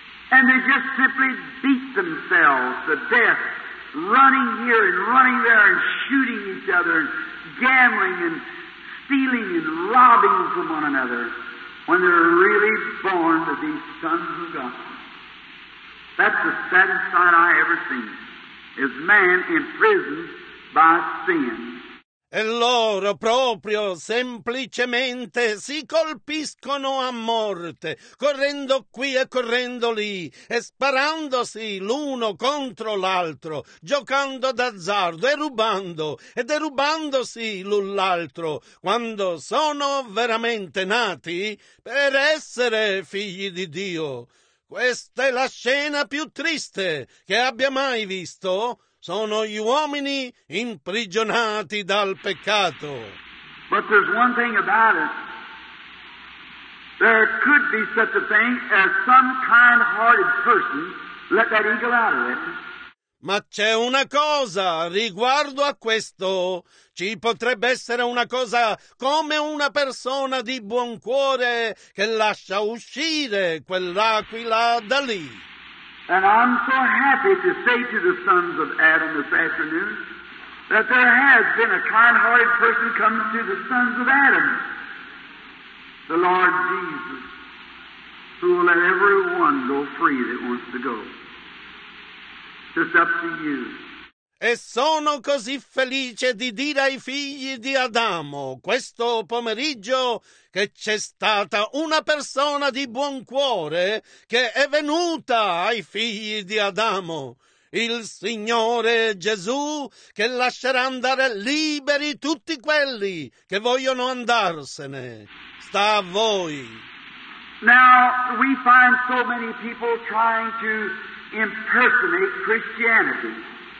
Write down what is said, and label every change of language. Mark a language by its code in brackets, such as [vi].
[en] And they just simply beat themselves to death, running here and running there and shooting each other and gambling and stealing and robbing from one another when they're really born to be sons of God. That's the saddest sight I ever seen, is man imprisoned by sin. [it] E loro proprio semplicemente si colpiscono a morte, correndo qui e correndo lì, e sparandosi l'uno contro l'altro, giocando d'azzardo e rubando, e derubandosi l'un l'altro, quando sono veramente nati per essere figli di Dio. Questa è la scena più triste che abbia mai visto. Sono gli uomini imprigionati dal peccato. [en] But there's one thing about it. There could be such a thing as some kind-hearted person let that eagle out of it. [it] Ma c'è una cosa riguardo a questo. Ci potrebbe essere una cosa come una persona di buon cuore che lascia uscire quell'aquila da lì. [en] And I'm so happy to say to the sons of Adam this afternoon that there has been a kind-hearted person come to the sons of Adam, the Lord Jesus, who will let everyone go free that wants to go. It's up to you. [it] E sono così felice di dire ai figli di Adamo, questo pomeriggio, che c'è stata una persona di buon cuore che è venuta ai figli di Adamo, il Signore Gesù, che lascerà andare liberi tutti quelli che vogliono andarsene. Sta a voi. [en] Now we find so many people trying to impersonate Christianity.